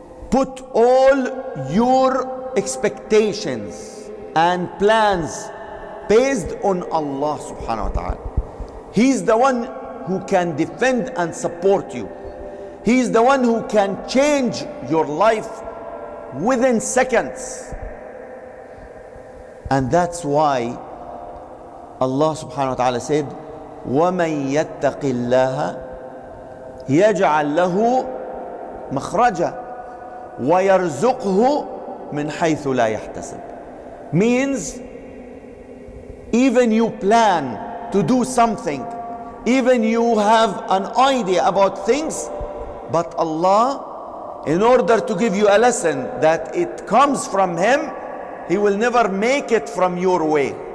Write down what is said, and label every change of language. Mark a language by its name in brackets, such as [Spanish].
[English] Put all your expectations and plans based on Allah subhanahu wa ta'ala. He's the one who can defend and support you. He's the one who can change your life within seconds. And that's why Allah subhanahu wa ta'ala said, [Arabic] وَمَنْ يَتَّقِ اللَّهَ يَجْعَلْ لَهُ مَخْرَجًا وَيَرْزُقْهُ مِنْ حَيْثُ لَا يَحْتَسِبْ. [English] Means, even you plan to do something, even you have an idea about things, but Allah, in order to give you a lesson that it comes from Him, He will never make it from your way.